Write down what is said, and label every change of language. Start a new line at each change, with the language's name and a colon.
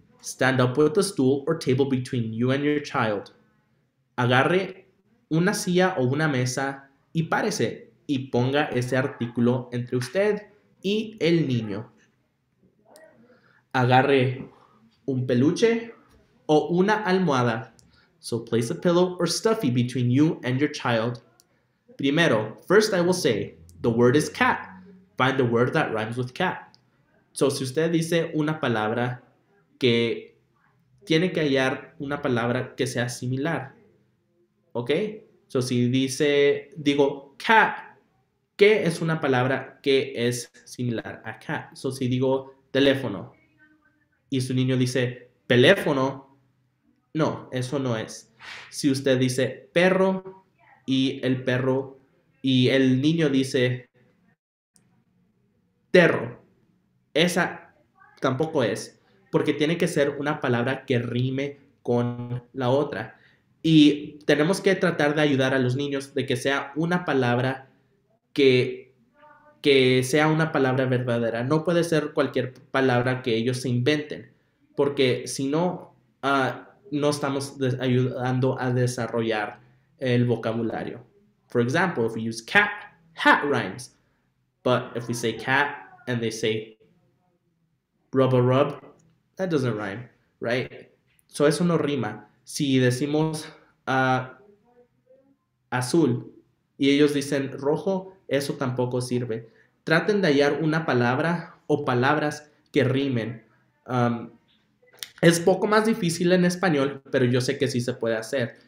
English: Stand up with a stool or table between you and your child.
Spanish: Agarre una silla o una mesa y párese y ponga ese artículo entre usted y el niño. Agarre un peluche o una almohada.
English: So place a pillow or stuffy between you and your child.
Spanish: Primero,
English: first I will say, the word is cat. Find a word that rhymes with cat.
Spanish: So si usted dice una palabra que tiene que hallar una palabra que sea similar. ¿Ok? So si dice, digo, cat, ¿qué es una palabra que es similar a cat? So si digo teléfono y su niño dice teléfono, no, eso no es. Si usted dice perro y el perro y el niño dice terro, esa tampoco es, porque tiene que ser una palabra que rime con la otra. Y tenemos que tratar de ayudar a los niños de que sea una palabra que sea una palabra verdadera. No puede ser cualquier palabra que ellos se inventen, porque si no, no estamos ayudando a desarrollar el vocabulario.
English: For example, if we use cat, hat rhymes. But if we say cat and they say rub a rub, that doesn't rhyme, right?
Spanish: So eso no rima. Si decimos azul y ellos dicen rojo, eso tampoco sirve. Traten de hallar una palabra o palabras que rimen. Es poco más difícil en español, pero yo sé que sí se puede hacer.